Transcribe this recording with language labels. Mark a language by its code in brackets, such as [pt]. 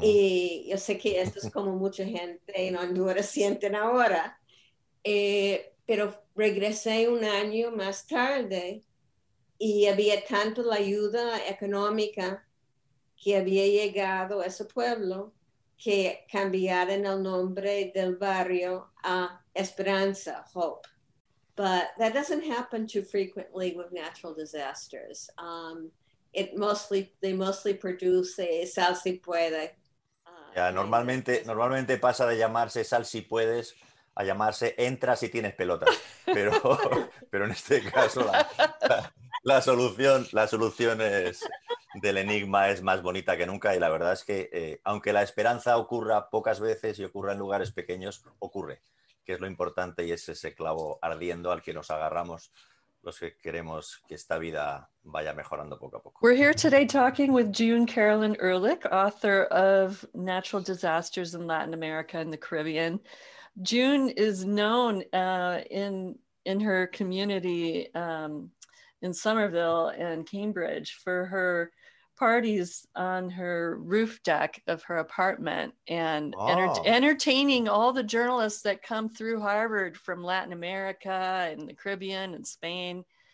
[es] Y yo sé que esto es como mucha gente en Honduras sienten ahora, pero regresé un año más tarde y había tanto la ayuda económica que había llegado a ese pueblo que cambiaron el nombre del barrio a Esperanza, Hope. [en] But that doesn't happen too frequently with natural disasters. They mostly produce a Sal Si Puede. [es] Normalmente pasa de llamarse Sal Si Puedes a llamarse Entra Si Tienes Pelotas. Pero en este caso la solución es del enigma es más bonita que nunca. Y la verdad es que aunque la esperanza ocurra pocas veces y ocurra en lugares pequeños, ocurre. Que es lo importante y es ese clavo ardiendo al que nos agarramos los que queremos que esta vida vaya mejorando poco a poco. [en] We're here today talking with June Carolyn Ehrlich, author of Natural Disasters in Latin America and the Caribbean. June is known in her community in Somerville and Cambridge for her parties on her roof deck of her apartment and entertaining all the journalists that come through Harvard from Latin America and the Caribbean and Spain.